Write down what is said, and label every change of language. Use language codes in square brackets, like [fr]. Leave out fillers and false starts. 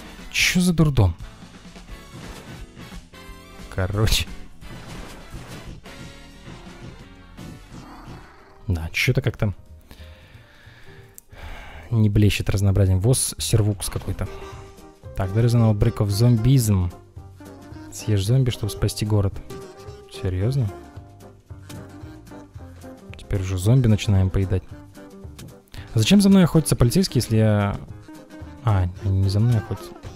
[ru] Чё за дурдом? Короче. Да, чё-то как-то не блещет разнообразием. Воз сервукс какой-то. [en] Так, there is an outbreak of zombism. [ru] Съешь зомби, чтобы спасти город. Серьезно? Теперь уже зомби начинаем поедать. А зачем за мной охотится полицейский, если я... А, не за мной охотится.